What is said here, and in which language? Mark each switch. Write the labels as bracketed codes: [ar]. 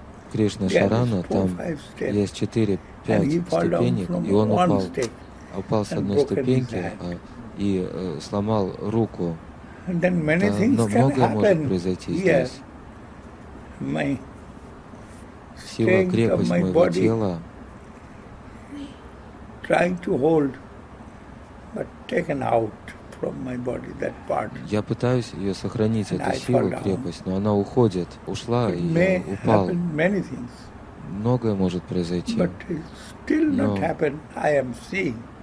[ru] Krishna Sarana, там есть 4-5 ступенек, и он упал, упал с одной ступеньки и сломал руку. Но многое может произойти здесь. Сила крепость моего тела. [en] Trying to hold, but taken out from my body that part. [ru] Я пытаюсь ее сохранить, эту силу, крепость, но она уходит, ушла [en] It [ru] и я упал. [en] Many things, [ru] Многое может произойти, [en] but still [ru] но [en] not happen, I am seeing.